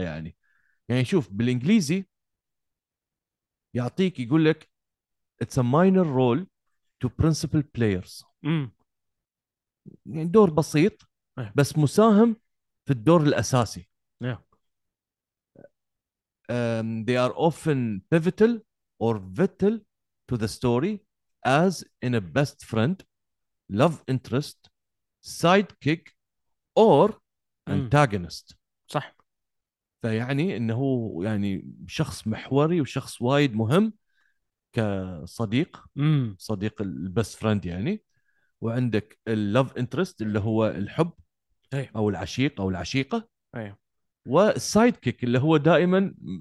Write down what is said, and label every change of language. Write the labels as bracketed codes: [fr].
[ar] يعني شوف بالانجليزي يعطيك يقول لك [en] it's a minor role to principal players، [ar] يعني دور بسيط بس مساهم في الدور الأساسي. [en] They are often pivotal or vital to the story as in a best friend, love interest, sidekick or antagonist. [ar] صح. فيعني انه يعني شخص محوري وشخص وايد مهم كصديق، صديق البست فريند يعني، وعندك اللوف انترست اللي هو الحب، أيه. او العشيق او العشيقه، ايوه، والسايد كيك اللي هو دائما